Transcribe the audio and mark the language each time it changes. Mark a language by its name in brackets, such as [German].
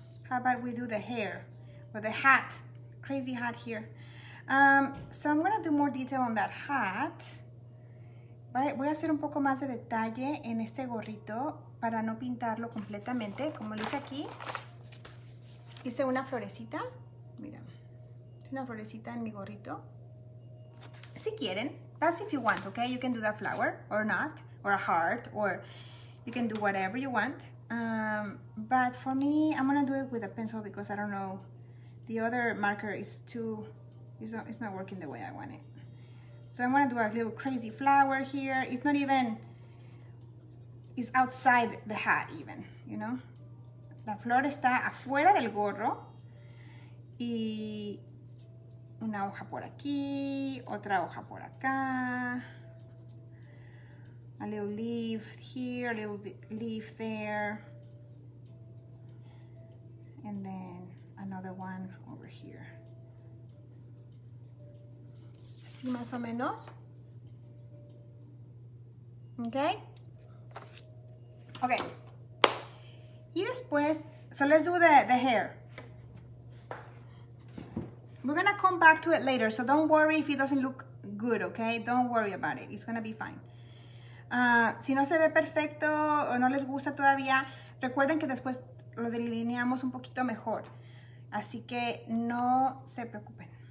[English] How about we do the hair or the hat? Crazy hat here. So I'm gonna do more detail on that hat. [Spanish] Voy a hacer un poco más de detalle en este gorrito para no pintarlo completamente. Como lo hice aquí, hice una florecita. Mira, una florecita en mi gorrito. Si quieren, [English] that's if you want, okay? You can do that flower or not, or a heart, or you can do whatever you want. But for me, I'm gonna do it with a pencil because I don't know. The other marker is too, it's not working the way I want it. So I'm gonna do a little crazy flower here. It's not even, it's outside the hat even, you know? [Spanish] La flor está afuera del gorro. Y una hoja por aquí, otra hoja por acá. [English] A little leaf here, a little leaf there. And then another one over here. [Spanish] Así más o menos. [English] Okay. Okay. [Spanish] Y después, [English] so let's do the hair. We're gonna come back to it later, so don't worry if it doesn't look good, okay? Don't worry about it. It's gonna be fine. [Spanish] Si no se ve perfecto o no les gusta todavía, recuerden que después lo delineamos un poquito mejor. Así que no se preocupen.